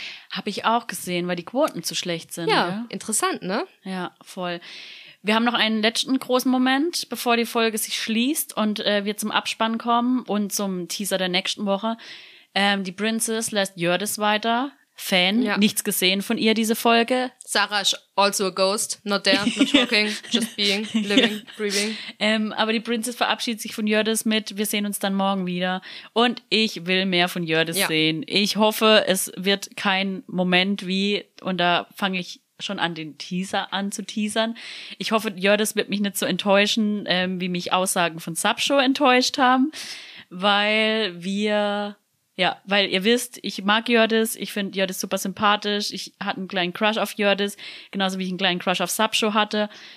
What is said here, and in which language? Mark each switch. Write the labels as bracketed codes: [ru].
[de] Habe ich auch gesehen, weil die Quoten zu schlecht sind. Ja, interessant, ne? Ja, voll. Wir haben noch einen letzten großen Moment, bevor die Folge sich schließt und wir zum Abspann kommen und zum Teaser der nächsten Woche. Die Princess lässt Jördis weiter. Fan, nichts gesehen von ihr diese Folge. [en] Sarah [de] ist also [en] a ghost, not there, not talking, just being, living, breathing. [de] Aber die Princess verabschiedet sich von Jördis mit, wir sehen uns dann morgen wieder. Und ich will mehr von Jördis sehen. Ich hoffe, es wird kein Moment wie, und da fange ich schon an den Teaser anzuteasern. Ich hoffe, Jördis wird mich nicht so enttäuschen, wie mich Aussagen von Subshow enttäuscht haben, weil wir, weil ihr wisst, ich mag Jördis, ich finde Jördis super sympathisch, ich hatte einen kleinen Crush auf Jördis, genauso wie ich einen kleinen Crush auf Subshow hatte.